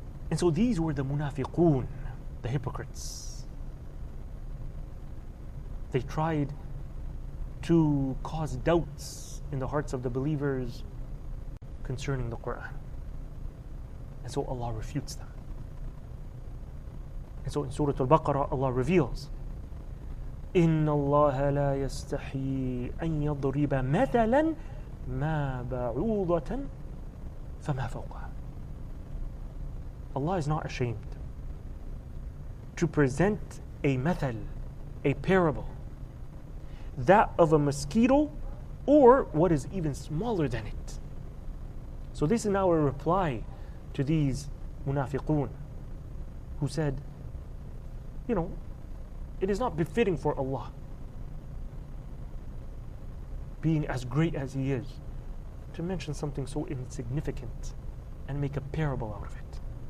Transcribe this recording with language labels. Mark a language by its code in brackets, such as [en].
[en] And so these were the munafiqoon, the hypocrites. They tried to cause doubts in the hearts of the believers concerning the Quran. And so Allah refutes them. And so in Surah Al-Baqarah, Allah reveals, [ar] إِنَّ اللَّهَ لَا يَسْتَحْيِي أَنْ يَضْرِبَ مَثَلًا مَا بَعُوضَةً فَمَا فَوْقَهَا. [en] Allah is not ashamed to present a mathal, a parable, that of a mosquito or what is even smaller than it. So this is now a reply to these munafiqoon who said, you know, it is not befitting for Allah, being as great as He is, to mention something so insignificant and make a parable out of it.